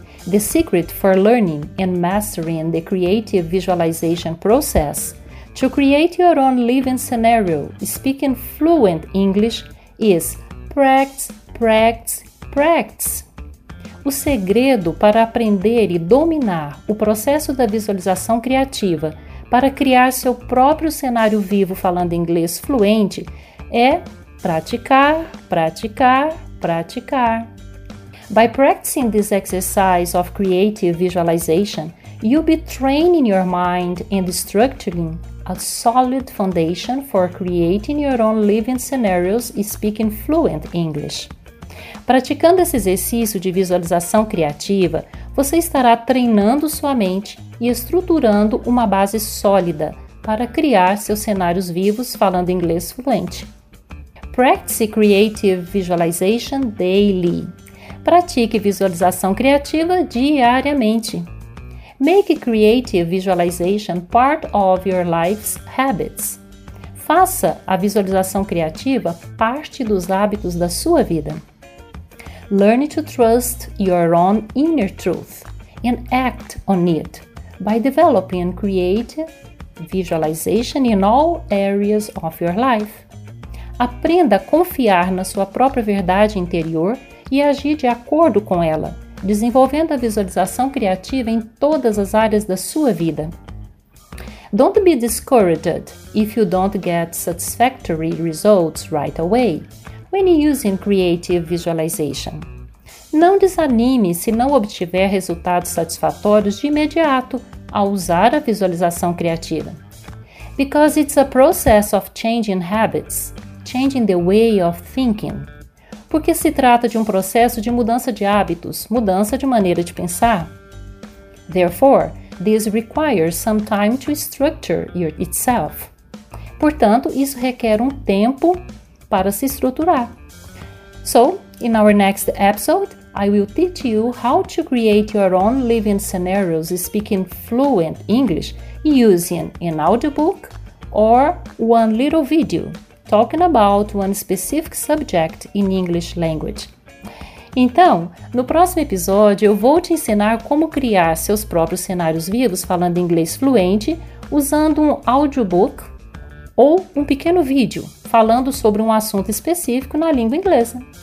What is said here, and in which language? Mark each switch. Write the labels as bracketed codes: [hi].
[en] The secret for learning and mastering the creative visualization process to create your own living scenario speaking fluent English is practice, practice, practice. [pt] O segredo para aprender e dominar o processo da visualização criativa para criar seu próprio cenário vivo falando inglês fluente é praticar, praticar, praticar. [en] By practicing this exercise of creative visualization, you'll be training your mind and structuring a solid foundation for creating your own living scenarios speaking fluent English. [pt] Praticando esse exercício de visualização criativa, você estará treinando sua mente e estruturando uma base sólida para criar seus cenários vivos falando inglês fluente. [en] Practice creative visualization daily. [pt] Pratique visualização criativa diariamente. [en] Make creative visualization part of your life's habits. [pt] Faça a visualização criativa parte dos hábitos da sua vida. [en] Learn to trust your own inner truth and act on it by developing creative visualization in all areas of your life. [pt] Aprenda a confiar na sua própria verdade interior e agir de acordo com ela, desenvolvendo a visualização criativa em todas as áreas da sua vida. [en] Don't be discouraged if you don't get satisfactory results right away when using creative visualization. [pt] Não desanime se não obtiver resultados satisfatórios de imediato ao usar a visualização criativa. [en] Because it's a process of changing habits, changing the way of thinking. [pt] Porque se trata de um processo de mudança de hábitos, mudança de maneira de pensar. [en] Therefore, this requires some time to structure itself. [pt] Portanto, isso requer um tempo para se estruturar. [en] So, in our next episode, I will teach you how to create your own living scenarios speaking fluent English using an audiobook or one little video talking about one specific subject in English language. [pt] Então, no próximo episódio, eu vou te ensinar como criar seus próprios cenários vivos falando inglês fluente usando um audiobook ou um pequeno vídeo falando sobre um assunto específico na língua inglesa.